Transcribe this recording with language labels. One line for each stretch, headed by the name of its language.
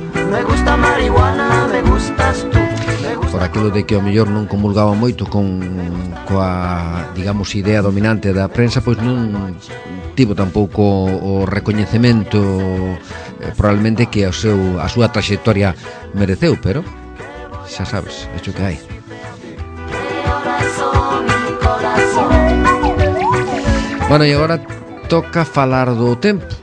Spanish: Me gusta marihuana, me gustas tú.
Galician: Por aquilo de que o mellor non comulgaba moito coa, digamos, idea dominante da prensa, pois non tivo tampouco o recoñecemento probablemente que a súa traxectoria mereceu, pero xa sabes, hecho que hai. Bueno, e agora toca falar do tempo.